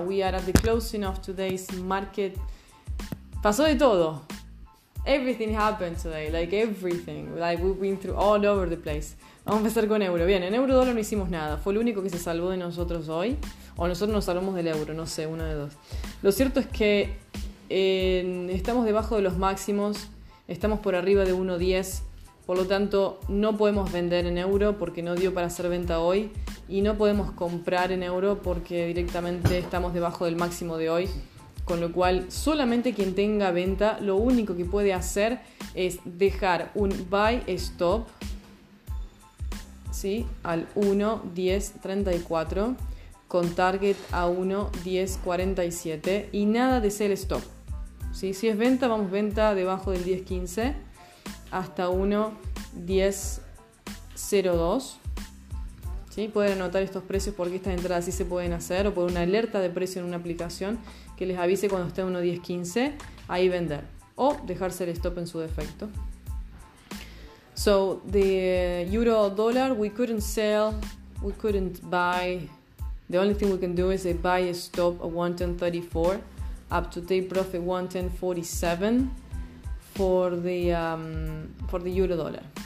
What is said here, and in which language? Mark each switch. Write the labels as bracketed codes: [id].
[en] We are at the closing of today's market. [es] Pasó de todo. [en] Everything happened today, like everything. Like we've been through all over the place. [es] Vamos a empezar con euro. Bien, en euro dólar no hicimos nada. Fue el único que se salvó de nosotros hoy. O nosotros nos salvamos del euro, no sé, uno de dos. Lo cierto es que estamos debajo de los máximos. Estamos por arriba de 1.10. Por lo tanto, no podemos vender en euro porque no dio para hacer venta hoy. Y no podemos comprar en euro porque directamente estamos debajo del máximo de hoy. Con lo cual, solamente quien tenga venta, lo único que puede hacer es dejar un buy stop, ¿sí?, al 1.10.34 con target a 1.10.47 y nada de sell stop. ¿Sí? Si es venta, vamos venta debajo del 10.15 hasta 1.10.02. ¿Sí? Pueden anotar estos precios porque estas entradas sí se pueden hacer, o por una alerta de precio en una aplicación que les avise cuando esté a 1.10.15, ahí vender. O dejarse el stop en su defecto. [en] So, the euro dollar, we couldn't sell, we couldn't buy. The only thing we can do is a buy stop of 1.10.34 up to take profit 1.10.47 for the euro dollar.